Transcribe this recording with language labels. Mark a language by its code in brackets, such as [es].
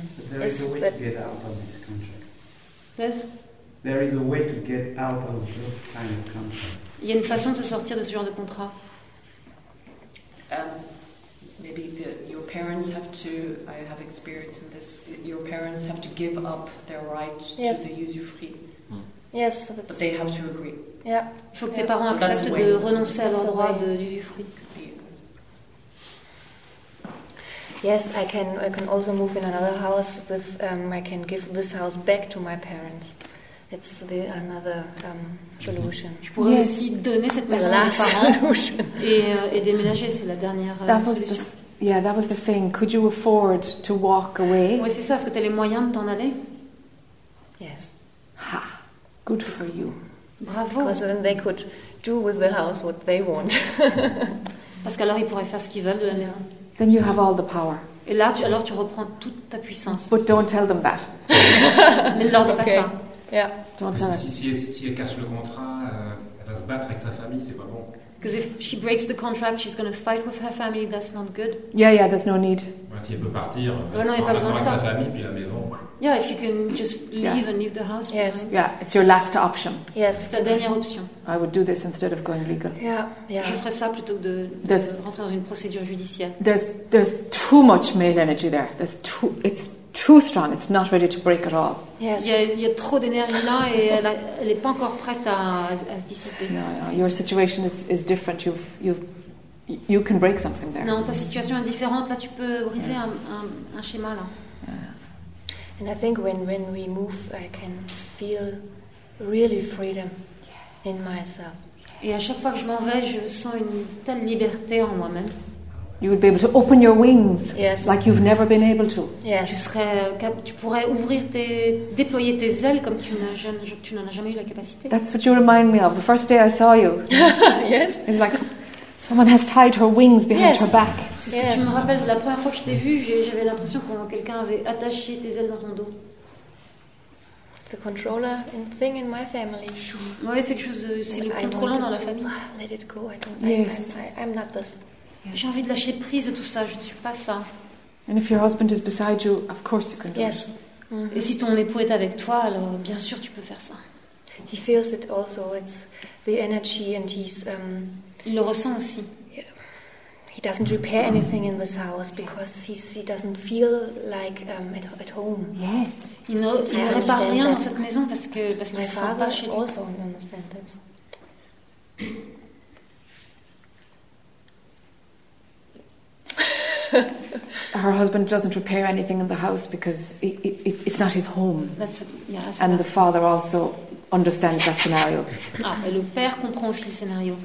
[en] there is a way to get out of this contract. Yes? There is a way to get out of this kind of contract. [fr] Il y a une façon de se sortir de ce genre de contrat. [en] Maybe your parents have to. I have experience in this. Your parents have to give up their right to the usufruit. Mm. Yes, but they have to agree. Yeah. [fr] Il faut que tes parents acceptent de renoncer à leur droit de l'usufruit. [en] Yes, I can. I can also move in another house with. I can give this house back to my parents. It's the another solution. [fr] Je pourrais aussi donner cette maison à mes parents et déménager. C'est la dernière solution. [en] Yeah, that was the thing. Could you afford to walk away? [fr] Oui, c'est ça. Est-ce que tu as les moyens de t'en aller? [en] Yes. Ha! Good for you. [fr] Bravo. [en] Because then they could do with the house what they want. [fr] Parce qu'alors ils pourraient faire ce qu'ils veulent de la maison. [en] Then you have all the power. [fr] Et là, alors tu reprends toute ta puissance. [en] But don't tell them that. [fr] Ne leur dis pas ça. [en] Yeah. [fr] Si elle casse le contrat, elle va se battre avec sa famille, c'est pas bon. [en] Because if she breaks the contract, she's going to fight with her family. That's not good. Yeah, there's no need. [fr] Ouais, si elle peut partir, elle va avec sa famille puis la maison. [en] Yeah, if you can just leave and leave the house. Yes. Behind. Yeah, it's your last option. Yes. [fr] C'est ta dernière option. [en] I would do this instead of going legal. Yeah. [fr] Je ferais ça plutôt que de rentrer dans une procédure judiciaire. [en] There's too much male energy there. It's too strong. It's not ready to break at all. Yes. [fr] Il y a trop d'énergie là et elle est pas encore prête à se dissiper. [en] No. Your situation is different. You can break something there. [fr] Non, ta situation est différente. Là, tu peux briser un schéma là. [en] Yeah. And I think when we move, I can feel really freedom in myself. [fr] Et à chaque fois que je m'en vais, je sens une telle liberté en moi-même. [en] You would be able to open your wings like you've never been able to. Yes. [fr] Tu pourrais ouvrir déployer tes ailes comme tu n'en as jamais eu la capacité. [en] That's what you remind me of the first day I saw you. Yes. It's like someone has tied her wings behind her back. [fr] C'est ce que tu me rappelles de la première fois que je t'ai vue. J'avais l'impression que quelqu'un avait attaché tes ailes dans ton dos. [en] The controller thing in my family. [fr] Sure. Ouais, c'est le contrôlant dans la famille. [en] Let it go. I don't. Yes. I'm not this. Yes. [fr] J'ai envie de lâcher prise de tout ça, je ne suis pas ça. [en] And if your husband is beside you, of course you can do yes. it. Mm-hmm. [fr] Et si ton époux est avec toi, alors bien sûr tu peux faire ça. [en] He feels it also, it's the energy and he's... [fr] Il le ressent aussi. [en] He doesn't repair anything in this house because he doesn't feel like at home. Yes. [fr] Il ne répare rien dans cette maison parce qu'il ne sent pas chez [en] lui. Also, I understand that. Her husband doesn't repair anything in the house because it's not his home. And the father also understands that scenario. [fr] Ah, et le père comprend aussi le scénario.